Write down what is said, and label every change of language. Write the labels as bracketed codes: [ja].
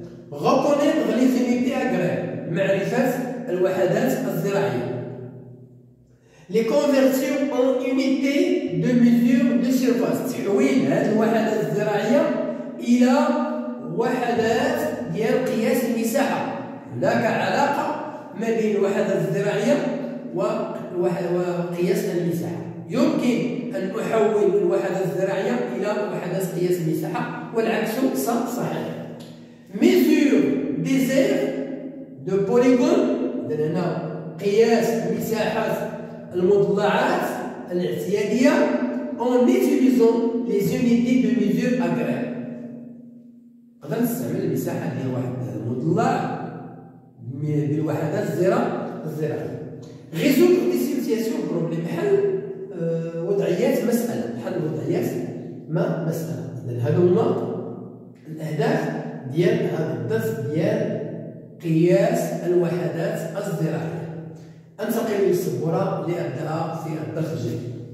[fr] Reconnaître les unités agraires. [ar] Ma'rifat al-wahadat az-zira'iyya. [fr] Les convertir en unité de mesure de surface. [ar] تحويل هذه الوحدات الزراعية إلى وحدات ديال قياس المساحة. هناك علاقة ما بين الوحدات الزراعية وقياس المساحة. يمكن أن أحول الوحدات الزراعية إلى وحدات قياس المساحة والعكس صحيح. [fr] Mesure des aires de polygone. [ar] إذا هنا قياس المساحات المضلعات الاعتيادية [fr] en utilisant les unités de mesure agraire. [ar] نقدر نستعمل المساحة ديال واحد المضلع بالوحدات الزراعية. [fr] Résoudre des situations problème. [ar] حل وضعيات مسألة. حل وضعيات مسألة. إذا هذو هما الأهداف ديال هذا الدرس ديال قياس الوحدات الزراعية. انتقل الى السبوره لابدا في الدرس الجديد.